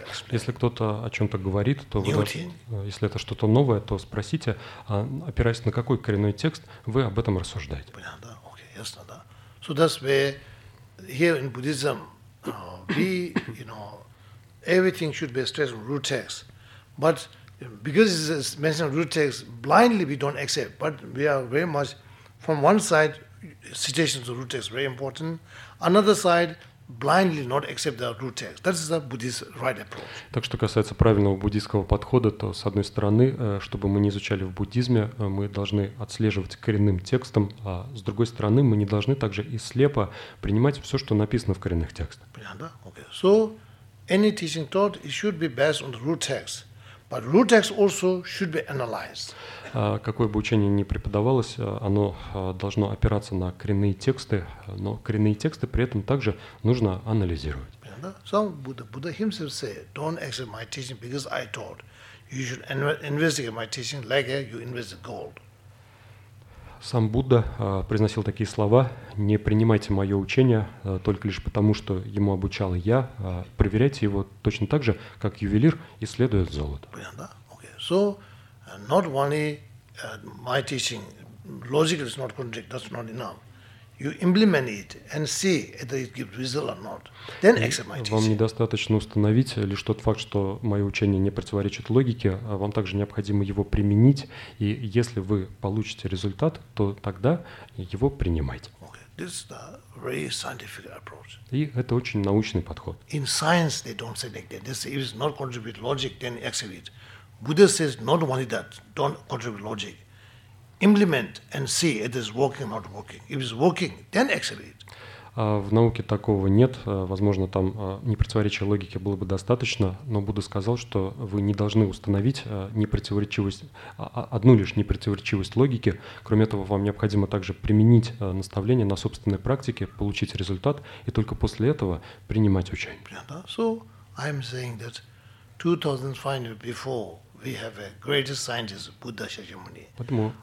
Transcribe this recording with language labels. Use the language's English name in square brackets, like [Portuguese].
[Russian] Если кто-то о чем-то говорит, то вы, если это что-то новое, то спросите, опираясь на какой коренной текст, вы об этом рассуждаете. Понятно, да? Окей, ясно, да. [English] So that's where here in Buddhism, we, you know, everything should be stressed on root text. But because it's mentioned root text, blindly we don't accept. But we are very much, from one side, citations of root text very important. Another side, blindly not accept the root text. That is the Buddhist right approach. [Russian] Так что касается правильного буддийского подхода, то с одной стороны, чтобы мы не изучали в буддизме, мы должны отслеживать коренным текстом, а с другой стороны, мы не должны также и слепо принимать все, что написано в коренных текстах. Понятно? Okay. [English] So any teaching taught it should be based on the root text, but root text also should be analyzed. [Russian] Какое бы учение ни преподавалось, оно должно опираться на коренные тексты, но коренные тексты при этом также нужно анализировать. Сам Будда [English] himself said, don't accept my teaching because I taught. You should investigate my teaching like you investigate gold. [Russian] Сам Будда произносил такие слова: не принимайте мое учение только лишь потому, что ему обучал я, проверяйте его точно так же, как ювелир исследует золото. Понятно? Okay. [English] So, not only my teaching, logic is not contradict, that's not enough. You implement it and see whether it gives result or not. Then accept my teaching. [Russian] Вам недостаточно установить лишь тот факт, что мое учение не противоречит логике, а вам также необходимо его применить, и если вы получите результат, то тогда его принимайте. [English] Okay. This is a very scientific approach. [Russian] И это очень научный подход. [English] In science they don't say like that. They say if it's not contribute logic, then accept it. Buddha says not only that, don't contribute logic. Implement and see if it is working or not working. If it's working, then accept it. [Russian] В науке такого нет. Возможно, там непротиворечие логике было бы достаточно, но Будда сказал, что вы не должны установить непротиворечивость, одну лишь непротиворечивость логики. Кроме этого, вам необходимо также применить наставление на собственной практике, получить результат и только после этого принимать учение. [English] So I'm saying that 2500 before we have a greatest scientist Buddha Shakyamuni.